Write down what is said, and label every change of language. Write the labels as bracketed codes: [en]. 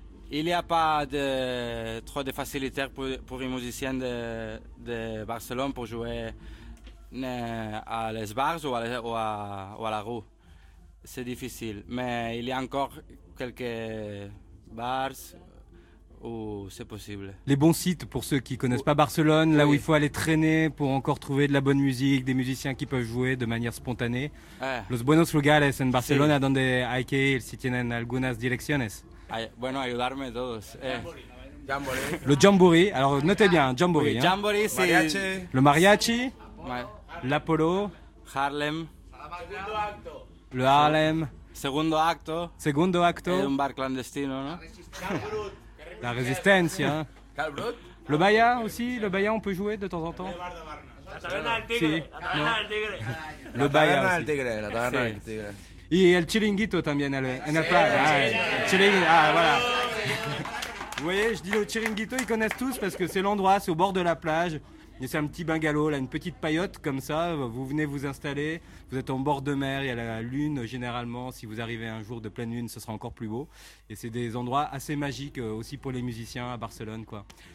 [fr] Il n'y a pas trop de facilités pour les musiciens de Barcelone pour jouer à les bars ou à la rue. C'est difficile. Mais il y a encore quelques bars. Ou c'est possible. Les bons sites pour ceux qui ne connaissent pas Barcelone, là où il faut aller traîner pour encore trouver de la bonne musique, des musiciens qui peuvent jouer de manière spontanée. [es] Los buenos lugares en Barcelona, donde hay que ir si tienen algunas direcciones. Bueno, ayudarme todos. Jamboree. [fr] Le Jamboree, alors notez bien, Jamboree. Oui, Jamboree, hein. C'est... Mariachi. Le Mariachi. L'Apollo. Harlem. Le Harlem. [es] Segundo acto. Segundo acto. [fr] Et un bar clandestino, non? La résistance, hein. Le Baia aussi, le Baia on peut jouer de temps en temps. Le Baia aussi. [es] Et le Chiringuito también, en el Prado. [fr] Voilà. Vous voyez, je dis le Chiringuito, ils connaissent tous parce que c'est l'endroit, c'est au bord de la plage. Et c'est un petit bungalow, là, une petite paillote comme ça, vous venez vous installer, vous êtes en bord de mer, il y a la lune généralement, si vous arrivez un jour de pleine lune, ce sera encore plus beau. Et c'est des endroits assez magiques aussi pour les musiciens à Barcelone, quoi.